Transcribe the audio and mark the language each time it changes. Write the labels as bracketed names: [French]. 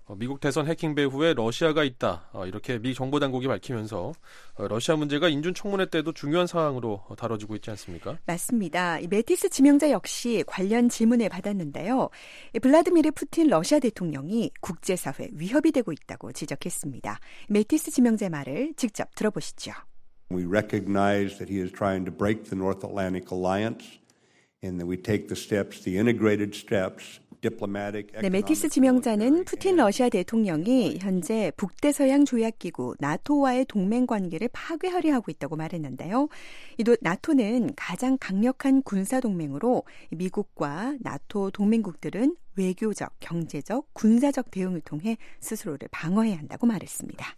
[Korean] 미국 대선 해킹 배후에 러시아가 있다. 이렇게 미 정보당국이 밝히면서 러시아 문제가 인준청문회 때도 중요한 사항으로 다뤄지고 있지 않습니까? 맞습니다. 이 매티스 지명자 역시 관련 질문을 받았는데요. 블라드미르 푸틴 러시아 대통령이 국제사회 위협이 되고 있다고 지적했습니다. 매티스 지명자의 말을 직접 들어보시죠. [English] We recognize that he is trying to break the North Atlantic Alliance and that we take the steps, the integrated steps, diplomatic, economic. [Korean] 네, 매티스 지명자는 푸틴 러시아 대통령이 현재 북대서양 조약기구 나토와의 동맹관계를 파괴하려 하고 있다고 말했는데요. 나토는 가장 강력한 군사동맹으로 미국과 나토 동맹국들은 외교적, 경제적, 군사적 대응을 통해 스스로를 방어해야 한다고 말했습니다.